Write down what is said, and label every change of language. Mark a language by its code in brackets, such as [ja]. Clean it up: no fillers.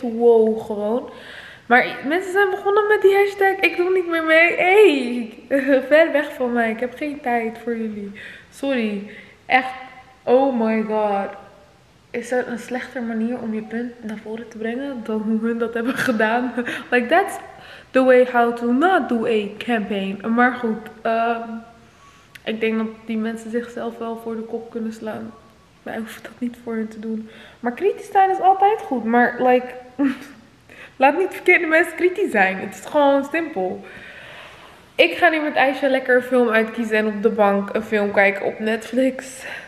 [nl] Wow, gewoon. Maar mensen zijn begonnen met die hashtag ik doe niet meer mee. Hey, ver weg van mij. Ik heb geen tijd voor jullie. Sorry. Echt, [en] oh my god. [nl] Is dat een slechter manier om je punt naar voren te brengen dan hoe hun dat hebben gedaan? [en] Like, that's the way how to not do a campaign. [nl] Maar goed, ik denk dat die mensen zichzelf wel voor de kop kunnen slaan. Wij hoeven dat niet voor hun te doen. Maar kritisch zijn is altijd goed. Maar, like, laat niet verkeerde mensen kritisch zijn. Het is gewoon simpel. Ik ga nu met Aisha lekker een film uitkiezen en op de bank een film kijken op Netflix.